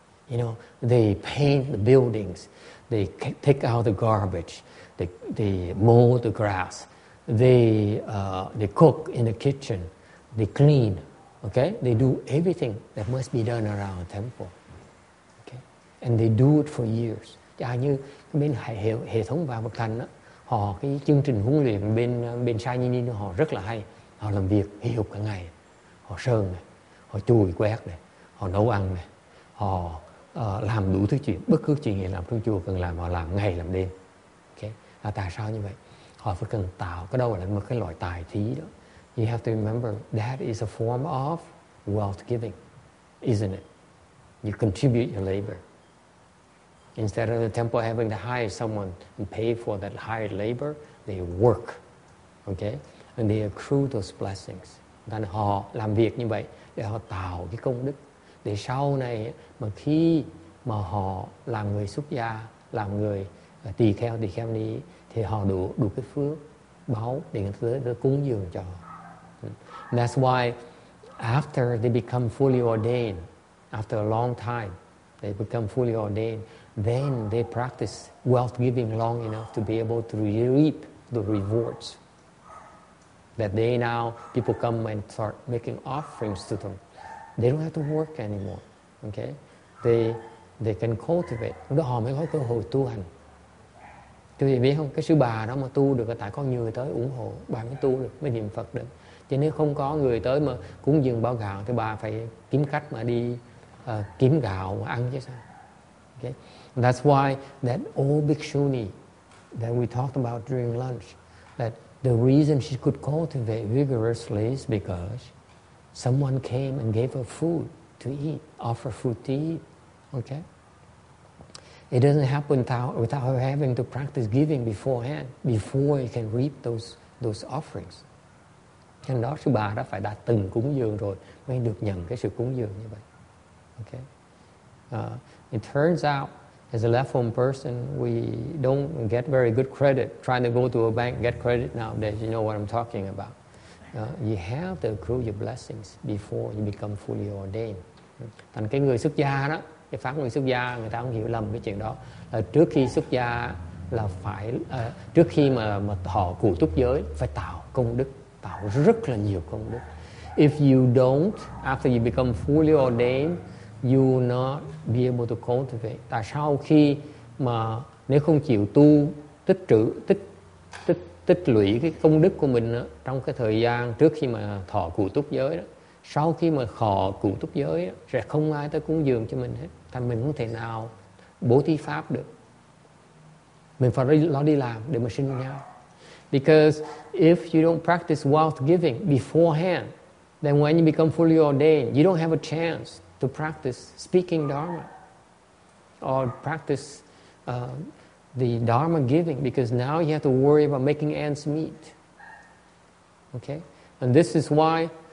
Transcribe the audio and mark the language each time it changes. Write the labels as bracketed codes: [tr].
[en] You know, they paint the buildings, they take out the garbage, they mow the grass, they cook in the kitchen, they clean, okay? They do everything that must be done around the temple, okay? And they do it for years. [vi] Chà như bên hệ thống Vạn Phật Thành, họ cái chương trình huấn luyện bên Sai Nhi Ni, họ rất là hay. Họ làm việc hì hục cả ngày, họ sơn này, họ chùi quét này, họ nấu ăn này, họ làm đủ thứ chuyện, bất cứ chuyện gì làm trong chùa cần làm, họ làm ngày làm đêm. Okay. À, tại sao như vậy? Họ phải cần tạo cái đâu là một cái loại tài thí đó. [en] You have to remember that is a form of wealth giving, isn't it? You contribute your labor. Instead of the temple having to hire someone and pay for that hired labor, they work. Okay? And they accrue those blessings. [vi] Nên họ làm việc như vậy để họ tạo cái công đức. Để sau này mà khi mà họ làm người xuất gia, làm người tỳ kheo, tỳ kheo ni, thì họ đủ cái phước báo để người ta cúng dường cho họ. [en] And that's why after they become fully ordained, after a long time, they become fully ordained, then they practice wealth giving long enough to be able to reap the rewards. That they now, people come and start making offerings to them. They don't have to work anymore, okay? They can cultivate. [vi] Lúc đó họ mới có cơ hội tu hành. Chứ gì biết không? Cái sư bà đó mà tu được là tại có người tới ủng hộ, bà mới tu được, mới niệm Phật được. Chứ nếu không có người tới mà cúng dường bao gạo, thì bà phải kiếm cách mà đi kiếm gạo mà ăn chứ sao? [en] Okay? That's why that old bhikshuni that we talked about during lunch, that the reason she could cultivate vigorously is because someone came and gave her food to eat, offer food to eat, okay? It doesn't happen without her having to practice giving beforehand, before you can reap those offerings. [vi] Cho nên đó, sư bà đã phải đã từng cúng dường rồi mới được nhận cái sự cúng dường như vậy, okay? [en] It turns out, as a left-home person, we don't get very good credit. Trying to go to a bank and get credit nowadays, you know what I'm talking about. You have to accrue your blessings before you become fully ordained. [vi] Thành cái người xuất gia đó, cái pháp người xuất gia, người ta không hiểu lầm cái chuyện đó. Là trước khi xuất gia là phải, trước khi mà họ cụ túc giới, phải tạo công đức, tạo rất là nhiều công đức. [en] If you don't, after you become fully ordained, you will not be able to cultivate. [vi] Tại sao khi mà nếu không chịu tu, tích trữ, tích lũy cái công đức của mình đó, trong cái thời gian trước khi mà thọ cụ túc giới đó, sau khi mà thọ cụ túc giới đó, sẽ không ai tới cúng dường cho mình hết. Thành mình không thể nào bố thí pháp được. Mình phải lo đi làm để mà sinh nhau. [en] Because if you don't practice wealth giving beforehand, then when you become fully ordained, you don't have a chance to practice speaking Dharma or practice the Dharma giving, because now you have to worry about making ends meet. Okay? And this is why